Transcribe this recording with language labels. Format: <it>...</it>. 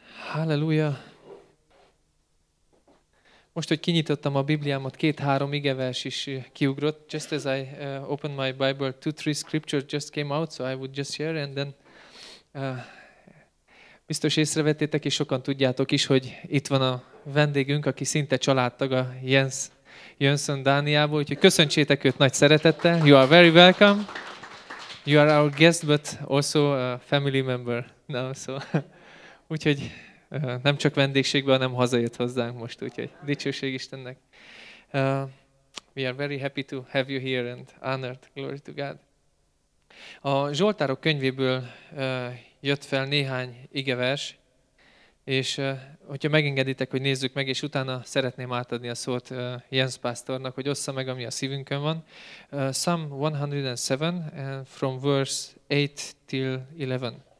<hu>Halleluja. Most, hogy kinyitottam a Bibliámat, két-három igevers is kiugrott.</hu> <en>Just as I opened my Bible, two, three scriptures just came out, so I would just share. And then,</en> <hu>biztos észrevettétek, és sokan tudjátok is, hogy itt van a vendégünk, aki szinte családtaga, Jens Jönsson Dániából. Úgyhogy köszöntsétek őt nagy szeretettel.</hu> <en>You are very welcome. You are our guest, but also a family member.</en> <hu>No, so. Úgyhogy... Nem csak vendégségben, hanem hazajött hozzánk most, úgyhogy dicsőség Istennek.</hu> <en>We are very happy to have you here and honored. Glory to God.</en> <hu>A Zsoltárok könyvéből jött fel néhány igevers, és hogyha megengeditek, hogy nézzük meg, és utána szeretném átadni a szót Jens pásztornak, hogy ossza meg, ami a szívünkön van.</hu> <en>Psalm 107, from verse 8 till 11.</en>